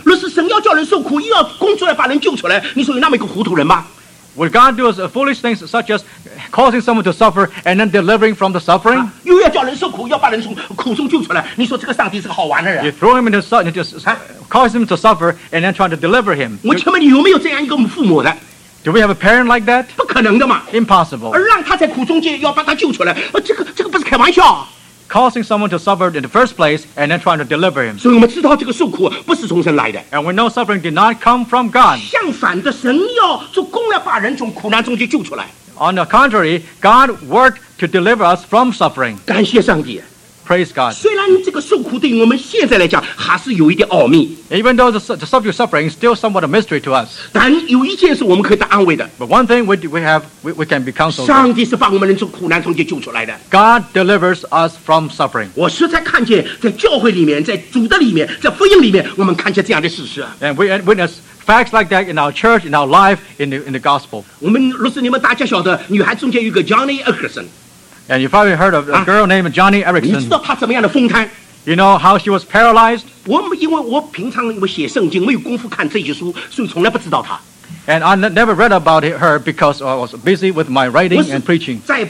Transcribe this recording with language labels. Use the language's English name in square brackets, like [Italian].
[Chinese] 若是神要叫人受苦,又要工作来把人救出来,你说有那么一个糊涂人吗? [English] Would God do a foolish things such as causing someone to suffer and then delivering from the suffering? [Chinese] 又要叫人受苦,要把人从苦中救出来,你说这个上帝是个好玩的人? [English] You throw him into suffering, cause him to suffer and then trying to deliver him. [Chinese] 我前面有没有这样一个父母的? [English] Do we have a parent like that? [Chinese] 不可能的嘛, [English] Impossible. [Chinese] 而让他在苦中间要把他救出来,这个不是开玩笑。 [English] Causing someone to suffer in the first place and then trying to deliver him. [Chinese] 所以我们知道这个受苦不是从神来的。 [English] And we know suffering did not come from God. [Chinese] 相反的,神要做工来把人从苦难中间救出来。 [English] On the contrary, God worked to deliver us from suffering. [Chinese] 感谢上帝。 [English] Praise God. [Chinese] 虽然这个受苦对于我们现在来讲还是有一点奥秘, [English] Even though the subject of suffering is still somewhat a mystery to us, but one thing we can be counseled. [Chinese] 上帝是把我们人从苦难中间救出来的, [English] God delivers us from suffering. [Chinese] 我实在看见在教会里面,在主的里面,在福音里面,我们看见这样的事实。 [English] And we witness facts like that in our church, in our life, in the gospel. [Chinese] 我们,若是你们大家晓得,女孩中间有个 Johnny Erickson, [English] And you've probably heard of a girl named Johnny Erickson. You know how she was paralyzed? And I never read about her because I was busy with my writing and preaching.